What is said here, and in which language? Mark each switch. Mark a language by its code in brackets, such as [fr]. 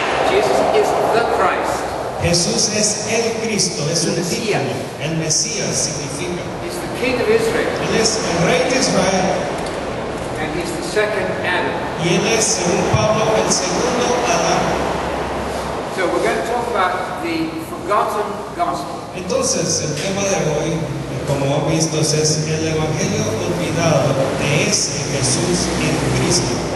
[en] Jesus is the Christ. [es] Jesús es el Cristo, es un título. El Mesías significa. [en] He's the King of Israel. [es] Él es el Rey de Israel. [en] And he's the second Adam. [es] Y él es, según Pablo, el segundo Adán. [en] So we're going to talk about the forgotten gospel. [es] Entonces, el tema de hoy, como hemos visto, es el Evangelio olvidado de ese Jesús en Cristo.